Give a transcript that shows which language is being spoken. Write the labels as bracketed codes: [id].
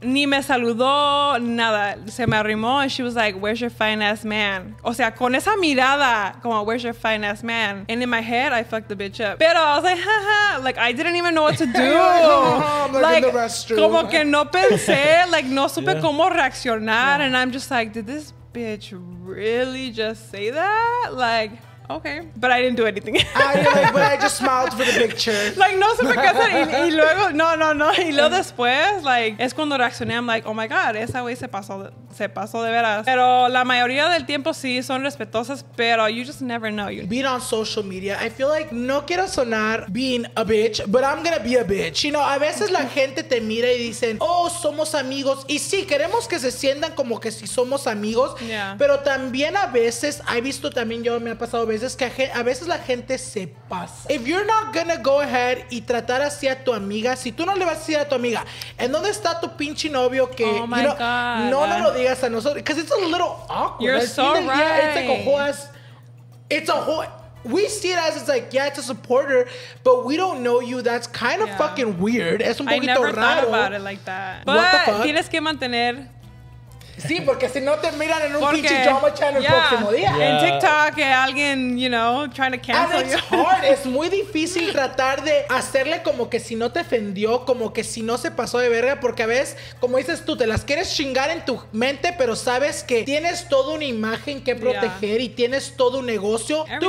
[es] Ni me saludó, nada, se me arrimó, [en] and she was like, where's your fine ass man? [es] O sea, con esa mirada, como, [en] where's your fine ass man? And in my head, I fucked the bitch up. Pero I was like, like, I didn't even know what to do. Like, [es] como que no pensé, like, no supe cómo reaccionar. [en] Yeah. And I'm just like, did this bitch really just say that? Like, okay. But I didn't do anything. But I just smiled for the picture. [es] Like, no supe qué hacer. Y luego, no. Y luego después, like, es cuando reaccioné. [en] I'm like, oh my God, [es] esa güey se pasó de veras. Pero la mayoría del tiempo sí son respetuosas, pero [en] you just never know. Being on social media, I feel like [es] no quiero sonar [en] being a bitch, but I'm gonna be a bitch. You know, [es] a veces la gente te mira y dicen, oh, somos amigos. Y sí, queremos que se sientan como que sí somos amigos. [en] Yeah. [es] Pero también a veces, he visto también, yo me ha pasado veces que a veces la gente se pasa. [en] If you're not gonna go ahead [es] y tratar así a tu amiga, si tú no le vas a decir a tu amiga, ¿en dónde está tu pinche novio? Que, [en] oh my God. [es] No, digas a nosotros, [en] because it's a little awkward. You're so right. Yeah, it's like a whole we see it as it's like, yeah, it's a supporter, but we don't know you. That's kind of fucking weird. [es] Es un poquito raro. [en] I never thought about it like that. But [es] tienes que mantener Sí, porque si no te miran en un pinche drama channel el próximo día. En TikTok, alguien, [en] you know, trying to cancel you. Hard. [es] Es muy difícil tratar de hacerle como que si no te ofendió, como que si no se pasó de verga, porque a veces, como dices tú, te las quieres chingar en tu mente, pero sabes que tienes toda una imagen que proteger y tienes todo un negocio. Everything.